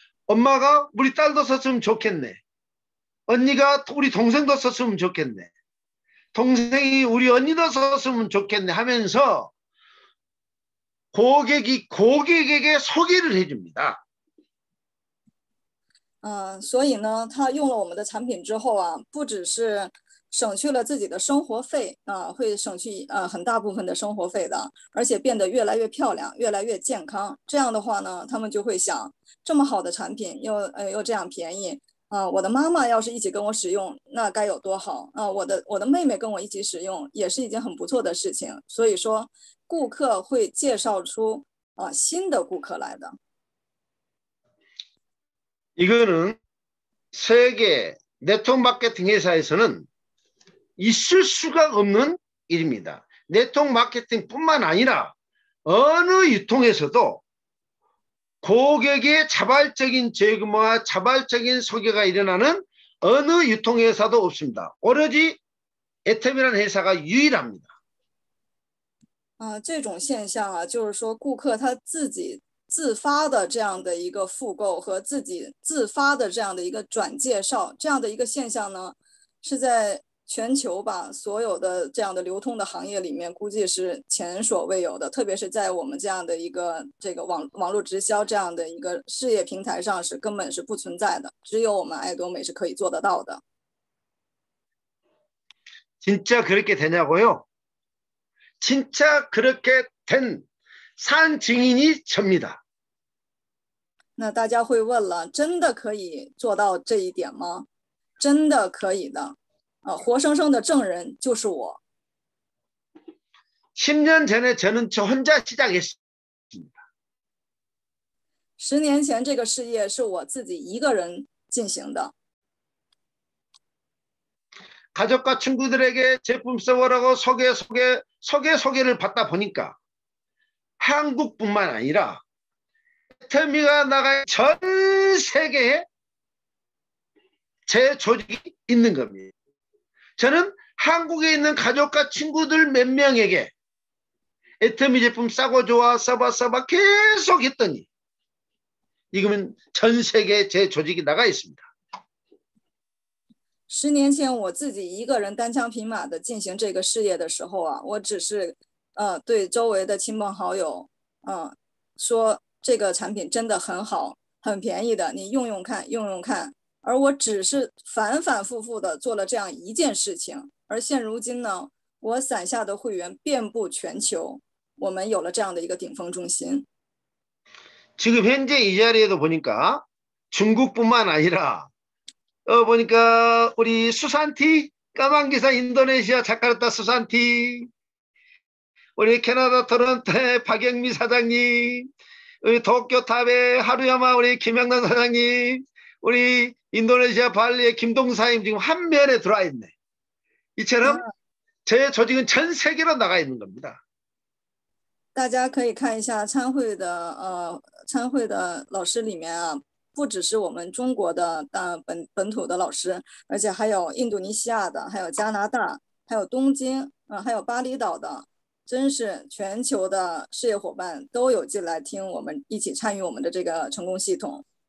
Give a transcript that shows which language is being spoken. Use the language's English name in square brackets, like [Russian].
[Korean] 엄마가 우리 딸도 샀으면 좋겠네. 언니가 우리 동생도 샀으면 좋겠네. 동생이 우리 언니도 샀으면 좋겠네 하면서 고객이 고객에게 소개를 해줍니다. [Chinese] 所以呢，他用了我们的产品之后啊，不只是省去了自己的生活费啊，会省去很大部分的生活费的，而且变得越来越漂亮，越来越健康。这样的话呢，他们就会想，这么好的产品又这样便宜啊，我的妈妈要是一起跟我使用，那该有多好啊！我的妹妹跟我一起使用，也是一件很不错的事情。所以说，顾客会介绍出新的顾客来的。 [Korean] 이거는 세계 네트워크 마케팅 회사에서는 있을 수가 없는 일입니다. 네트워크 마케팅뿐만 아니라 어느 유통에서도 고객의 자발적인 제공과 자발적인 소개가 일어나는 어느 유통회사도 없습니다. 오로지 애템이라는 회사가 유일합니다. [Chinese] 这种现象啊，就是说顾客他自己自发的这样的一个复购和自己自发的这样的一个转介绍，这样的一个现象呢，是在全球吧所有的这样的流通的行业里面，估计是前所未有的，特别是在我们这样的一个这个网络直销这样的一个事业平台上是根本是不存在的，只有我们爱多美是可以做得到的。 [Korean] 진짜 그렇게 되냐고요? 진짜 그렇게 된산 증인이 접니다. [Chinese] 那大家会问了，真的可以做到这一点吗？真的可以的，活生生的证人就是我。 [Korean] 10년 전에 저는 저 혼자 시작했습니다. [Chinese] 10年前这个事业是我自己一个人进行的。 [Korean] 가족과 친구들에게 제품 써보라고 소개를 받다 보니까 한국뿐만 아니라 애터미가 나갈 전 세계에 제 조직이 있는 겁니다. 저는 한국에 있는 가족과 친구들 몇 명에게 애터미 제품 싸고 좋아 써봐 계속 했더니 이거는 전 세계에 제 조직이 나가 있습니다. [Chinese] 10年前，我自己一个人单枪匹马的进行这个事业的时候啊，我只是，对周围的亲朋好友，说这个产品真的很好，很便宜的，你用用看，用用看。而我只是反反复复的做了这样一件事情，而现如今呢，我伞下的会员遍布全球，我们有了这样的一个顶峰中心。 [Korean] 지금 현재 이 자리에도 보니까 중국뿐만 아니라 보니까 우리 수산티 까만 기사 인도네시아 자카르타 수산티 우리 캐나다 토론토 박영미 사장님 우리 도쿄 타베 하루야마 우리 김영남 사장님 우리 인도네시아 발리의 김동사님 지금 한 면에 들어와 있네. 이처럼 제 조직은 전 세계로 나가 있는 겁니다. [Chinese] 大家可以看一下参会的老师里面啊，不只是我们中国的本土的老师，而且还有印度尼西亚的，还有加拿大，还有东京，还有巴厘岛的，真是全球的事业伙伴都有进来听我们，一起参与我们的这个成功系统。